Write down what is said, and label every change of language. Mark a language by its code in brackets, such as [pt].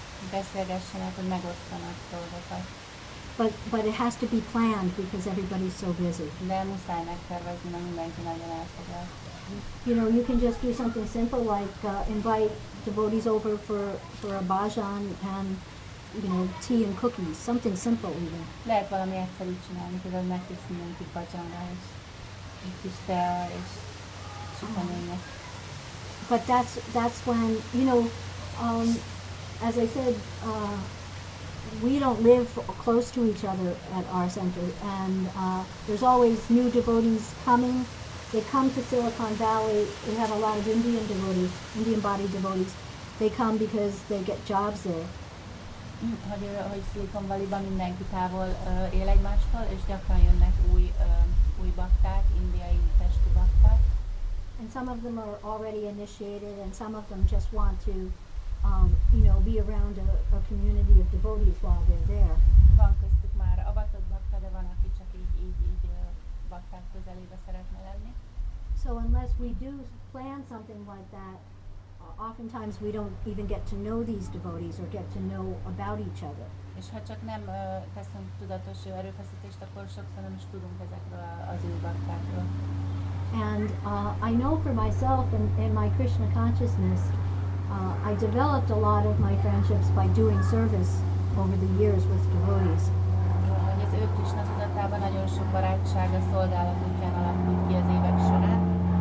[hu] Beszélgessenek, hogy megosztanak dolgokat. [en] But it has to be planned because everybody's so busy. [hu] De muszáj megtervezni, mert mindenki nagyon elfoglalt. [en] You can just do something simple like invite devotees over for a bhajan and tea and cookies, something simple even. [hu] Lehet valami egyszerűt csinálni, például megtiszni mindenki bhajanra és egy kis tea és csukaménye. [en] But that's when, as I said, we don't live close to each other at our center, and there's always new devotees coming. They come to Silicon Valley. We have a lot of Indian devotees, Indian body devotees. They come because they get jobs there. [hu] Hogy Silicon Valley-ban mindenki távol él egymástól, és gyakran jönnek új bakták, indiai testű bakták. [en] And some of them are already initiated, and some of them just want to, be around a community of devotees while they're there. [hu] Van köztük már avatott bakta, de van, aki csak így bakták közelébe szeretne lenni. [en] So unless we do plan something like that, oftentimes we don't even get to know these devotees or get to know about each other. [hu] És ha csak nem teszünk tudatos jó erőfeszítést, akkor sokszor nem is tudunk ezekről az új baktákról. [en] And I know for myself and in my Krishna consciousness, I developed a lot of my friendships by doing service over the years with devotees. [hu] Az ő Krishna tudatában nagyon sok barátság a szolgálat útján alakult ki az évek során.